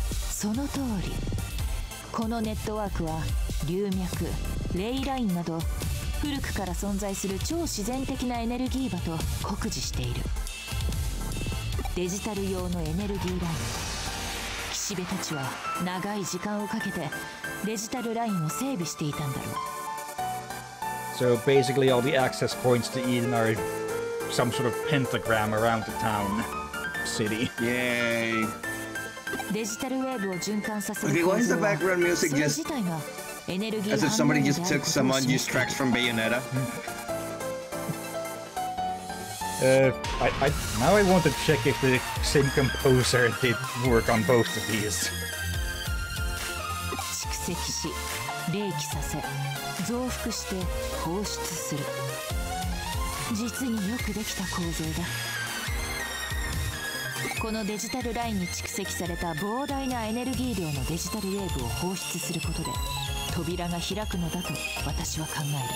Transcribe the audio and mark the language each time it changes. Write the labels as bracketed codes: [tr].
[ja] その通り、このネットワークは龍脈、レイラインなど古くから存在する超自然的なエネルギー場と酷似している。デジタル用のエネルギーライン、岸辺たちは長い時間をかけてデジタルラインを整備していたんだろう。 [en] So basically all the access points to Eden are some sort of pentagram around the town, city. Yay! [ja] Digital wave を循環させる。 [en] Okay, why is the background music just as if somebody just took some unused tracks from Bayonetta? I want to check if the same composer did work on both of these. [ja] 蓄積し、冷気させ、増幅して放出する。実によくできた構造だ。このデジタルラインに蓄積された膨大なエネルギー量のデジタルウェーブを放出することで扉が開くのだと私は考える。